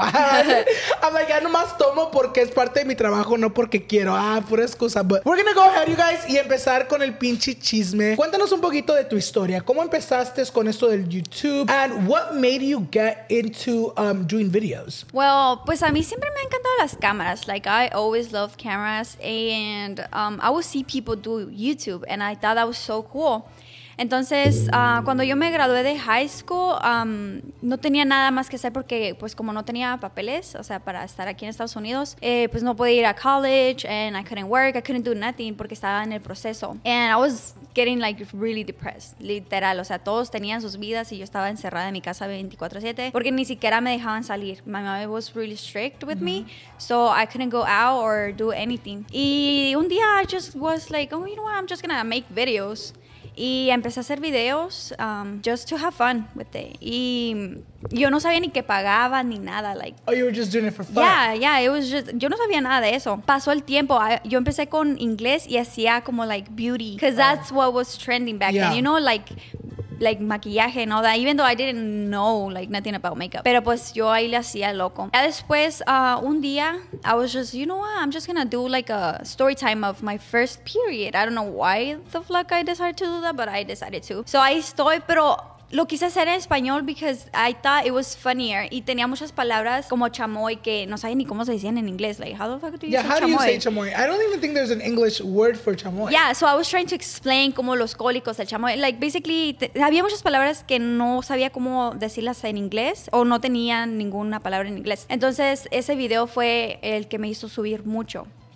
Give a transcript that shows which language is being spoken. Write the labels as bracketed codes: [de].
[en] I'm like, [es] ya nomás tomo porque es parte de mi trabajo. No porque quiero, pura excusa. [en] But we're gonna go ahead, you guys, [es] y empezar con el pinche chisme. Cuéntanos un poquito de tu historia. ¿Cómo empezaste con esto del YouTube? [en] And what made you get into doing videos? [es] Well, pues a mí siempre me han encantado las cámaras. [en] Like, I always loved cameras. [es] And I would see people do YouTube. And I thought that was so cool. Entonces, cuando yo me gradué de high school, no tenía nada más que hacer porque, pues, como no tenía papeles, o sea, para estar aquí en Estados Unidos, pues, no podía ir a college, [en] and I couldn't work, I couldn't do nothing [es] porque estaba en el proceso. [en] And I was getting, like, really depressed, literal. [es] O sea, todos tenían sus vidas y yo estaba encerrada en mi casa 24/7 porque ni siquiera me dejaban salir. [en] My mom was really strict with me, so I couldn't go out or do anything. [es] Y un día [en] I just was like, oh, you know what, I'm just gonna make videos. [es] Y empecé a hacer videos [en] just to have fun with it. [es] Y yo no sabía ni qué pagaba ni nada. [en] Like, oh, you were just doing it for fun. Yeah, yeah. It was just, [es] yo no sabía nada de eso. Pasó el tiempo. Yo empecé con inglés y hacía como like beauty. [en] Because that's what was trending back then. You know, like maquillaje and all that. Even though I didn't know like nothing about makeup. [es] Pero pues yo ahí le hacía loco. Y después, un día, [en] I was just, you know what? I'm just gonna do like a story time of my first period. I don't know why the fuck I decided to do that, but I decided to. [es] So ahí estoy, pero lo quise hacer en español [en] because I thought it was funnier. [es] Y tenía muchas palabras como chamoy que no sabía ni cómo se decían en inglés. [en] Like, how the fuck do you say chamoy? Yeah, how do you say chamoy? I don't even think there's an English word for chamoy. Yeah, so I was trying to explain [es] como los cólicos del chamoy. [en] Like, basically, [es] había muchas palabras que no sabía cómo decirlas en inglés o no tenía ninguna palabra en inglés. Entonces, ese video fue el que me hizo subir mucho.